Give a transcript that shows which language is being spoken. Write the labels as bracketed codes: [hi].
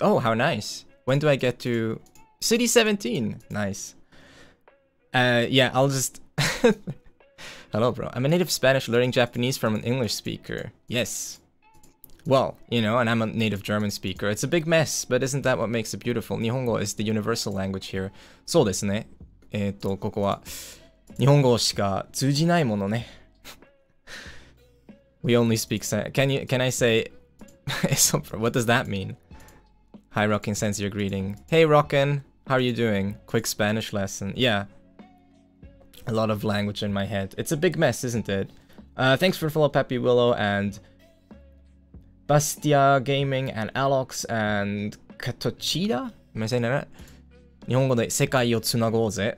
[en] Oh, how nice. When do I get to... City 17! Nice. Yeah, I'll just... Hello, bro. I'm a native Spanish learning Japanese from an English speaker. Yes. Well, you know, and I'm a native German speaker. It's a big mess, but isn't that what makes it beautiful? 日本語 is the universal language here. [ja] そうですね。ここは日本語しか通じないものね。 [en] We only speak can I say what does that mean? Hi Rockin sends your greeting. Hey Rockin, how are you doing? Quick Spanish lesson. Yeah. A lot of language in my head. It's a big mess, isn't it? Thanks for follow Peppy Willow and Bastia Gaming and Alex and Katochida? Am I saying that right? [ja] 日本語で世界をつなごうぜ。